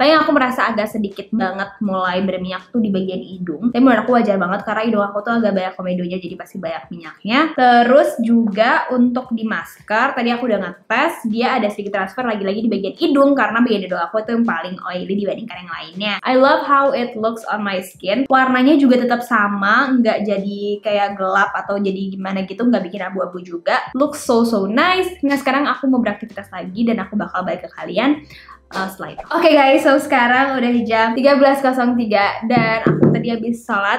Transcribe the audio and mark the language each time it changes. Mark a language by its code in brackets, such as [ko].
[id] Paling aku merasa agak sedikit banget mulai berminyak tuh di bagian hidung. Tapi menurut aku wajar banget karena hidung aku tuh agak banyak komedonya, jadi pasti banyak minyaknya. Terus juga untuk di masker, tadi aku udah ngetes, dia ada sedikit transfer lagi-lagi di bagian hidung, karena bagian hidung aku itu yang paling oily dibandingkan yang lainnya. [en] I love how it looks on my skin. [id] Warnanya juga tetap sama, nggak jadi kayak gelap atau jadi gimana gitu, nggak bikin abu-abu juga. [en] Looks so so nice. [id] Nah sekarang aku mau beraktivitas lagi dan aku bakal balik ke kalian slide. Oke [en] okay guys, so [id] sekarang udah jam 13.03 dan aku tadi habis sholat.